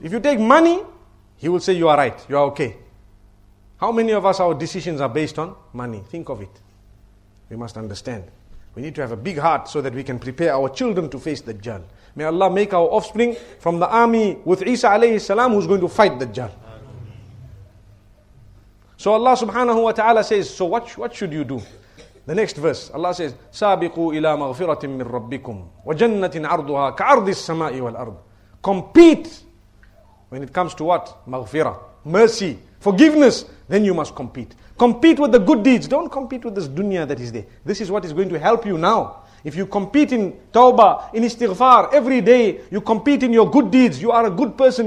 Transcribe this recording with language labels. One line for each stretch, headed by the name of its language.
English: If you take money, he will say you are right, you are okay. How many of us, our decisions are based on money? Think of it. We must understand. We need to have a big heart so that we can prepare our children to face Dajjal. May Allah make our offspring from the army with Isa alayhi salam, who's going to fight Dajjal. So Allah subhanahu wa ta'ala says, so what should you do? The next verse, Allah says,
Arabic: سَابِقُوا إِلَى مَغْفِرَةٍ مِّن رَبِّكُمْ وَجَنَّةٍ عَرْضُهَا كَعَرْضِ السَّمَاءِ وَالْأَرْضِ.
English: Compete when it comes to what? Maghfirah, mercy, forgiveness. Then you must compete. Compete with the good deeds. Don't compete with this dunya that is there. This is what is going to help you now. If you compete in tawbah, in istighfar, every day you compete in your good deeds. You are a good person.